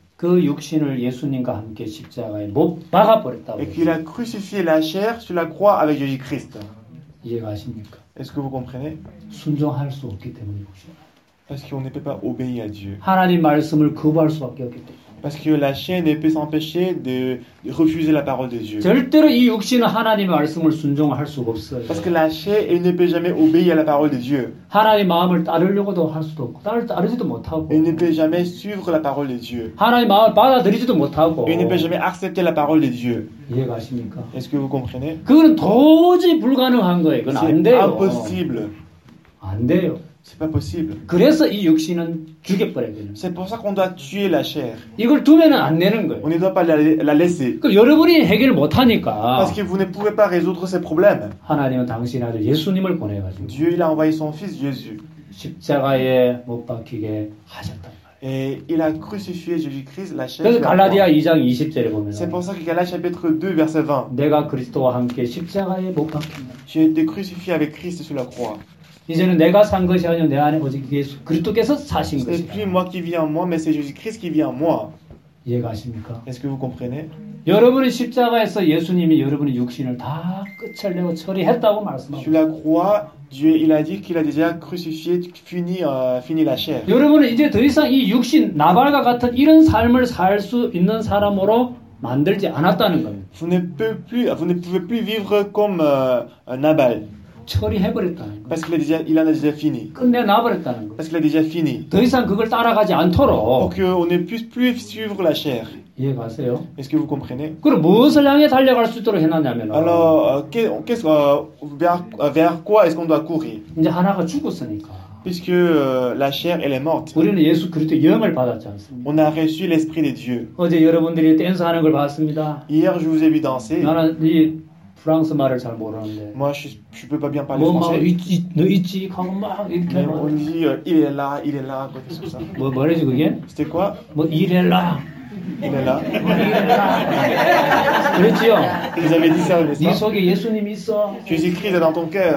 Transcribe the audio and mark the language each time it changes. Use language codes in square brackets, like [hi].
[ko] 그 육신을 예수님과 함께 십자가에 못 박아 버렸다고. [fr] Et qu'il a crucifié la chair sur la croix avec Jésus-Christ. [ko] 이해하십니까? [fr] Est-ce que vous comprenez? [ko] 순종할 수 없기 때문이죠. [fr] Parce qu'on ne peut pas obéir à Dieu. [ko] 하나님 말씀을 거부할 수밖에 없기 때문에. [fr] Parce que la chair ne peut s'empêcher de refuser la parole de Dieu. [ko] 절대로 이 육신은 하나님의 말씀을 순종할 수가 없어요. [fr] Parce que la chair elle ne peut jamais obéir à la parole de Dieu. [ko] 하나님 마음을 따르려고도 할 수도 없고 따르지도 못하고. [fr] Elle ne peut jamais suivre la parole de Dieu. [ko] 하나님 마음을 받아들이지도 못하고. [fr] Elle ne peut jamais accepter la parole de Dieu. [ko] 이해가십니까? [fr] Est-ce que vous comprenez? [ko] 그건 도저히 불가능한 거예요. 그건 [fr] C'est [ko] 안 돼요. [fr] Impossible. [ko] 안 돼요. [fr] C'est pas possible. [ko] 그래서 이 육신은 죽여버려야 되는. [fr] C'est pour ça qu'on doit tuer la chair. [ko] 이걸 두면은 안 내는 거예요. [fr] On ne doit pas la laisser. [ko] 그 여러분이 해결 못 하니까. [fr] Parce que vous ne pouvez pas résoudre ces problèmes. [ko] 하나님은 당신 아들 예수님을 보내가지고. [fr] Dieu il a envoyé son fils Jésus. [ko] 십자가에 못 박히게 하셨다. [fr] Et il a crucifié Jésus-Christ la chair. [ko] 그래서 갈라디아 2장 20절에 보면. [fr] C'est pour ça que Galates chapitre 2 verset 20. [ko] 내가 그리스도와 함께 십자가에 못 박힌다. [fr] J'ai été crucifié avec Christ sur la croix. [ko] 이제는 내가 산 것이 아니요 내 안에 오직 예수 그리스도께서 사신 것이다. [fr] C'est plus moi qui vis en moi, mais c'est Jésus-Christ qui vit en moi. [ko] 이해가십니까? [fr] Est-ce que vous comprenez? [ko] 여러분의 십자가에서 예수님이 여러분의 육신을 다 끝을 내고 처리했다고 말씀하십니다. [fr] Sur la croix, Dieu il a dit qu'il a déjà crucifié, fini la chair. [ko] 여러분은 이제 더 이상 이 육신 나발과 같은 이런 삶을 살 수 있는 사람으로 만들지 않았다는 겁니다. [fr] Vous ne pouvez plus vivre comme Nabal. [ko] 처리해버렸다는 [fr] Parce qu'il a déjà, il en a déjà fini. [ko] 끝내놔버렸다는 거. [fr] Parce qu'il a déjà fini. [ko] 더 이상 그걸 따라가지 않도록. [fr] Pour qu'on ne puisse plus suivre la chair. [ko] 이해가세요? [fr] Est-ce que vous comprenez? [ko] 그럼 무엇을 향해 달려갈 수 있도록 해놨냐면. [fr] Alors, vers quoi est-ce qu'on doit courir? [ko] 이제 하나가 죽었으니까. [fr] Puisque la chair elle est morte. [ko] 우리는 예수 그리스도의 영을 받았지 않습니까? [fr] On a reçu l'esprit de Dieu. [ko] 어제 여러분들이 댄스하는 걸 봤습니다. [fr] Hier je vous ai vu danser. [ko] 나는 이 프랑스 말을 잘 모르는데. [fr] Moi je peux pas bien parler français. [ko] 너 있지? 그럼 막 이렇게 [fr] 말. On dit il est là, il est là. [ko] 뭐 말이지 그게? [fr] C'était quoi? 뭐 il est là. Il est là. [ko] 그랬지요? [fr] Vous avez dit ça, n'est-ce pas? [ko] 네 속에 예수님 있어. [fr] Jésus-Christ est dans ton cœur.